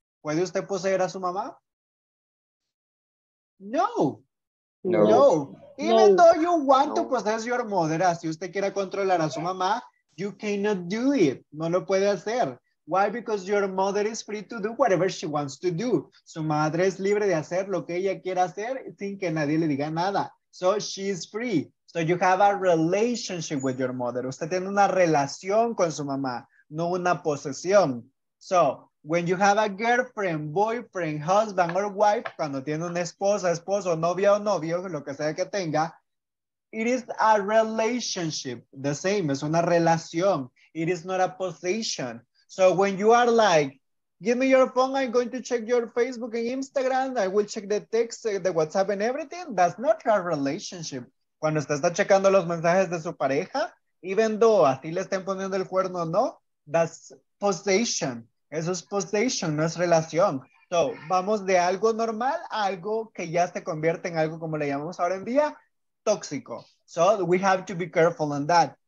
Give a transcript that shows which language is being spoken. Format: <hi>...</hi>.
<es>¿Puede usted poseer a su mamá? No. No.</es> <en>Even though you want to possess your mother,</en> <es>si usted quiere controlar a su mamá,</es> <en>you cannot do it.</en> <es>No lo puede hacer.</es> <en>Why? Because your mother is free to do whatever she wants to do.</en> <es>Su madre es libre de hacer lo que ella quiera hacer sin que nadie le diga nada.</es> <en>So she is free. So you have a relationship with your mother.</en> <es>Usted tiene una relación con su mamá, no una posesión.</es> <en>So when you have a girlfriend, boyfriend, husband or wife,</en> <es>cuando tiene una esposa, esposo, novia o novio, lo que sea que tenga,</es> <en>it is a relationship. The same,</en> <es>es una relación.</es> <en>It is not a possession. So when you are like, give me your phone, I'm going to check your Facebook and Instagram, I will check the text, the WhatsApp and everything, that's not your relationship.</en> <es>Cuando usted está checando los mensajes de su pareja,</es> <en>even though</en> <es>así le estén poniendo el cuerno o no,</es> <en>that's possession.</en> <es>Eso es possession, no es relación. So vamos de algo normal a algo que ya se convierte en algo, como le llamamos ahora en día, tóxico.</es> <en>So we have to be careful on that.</en>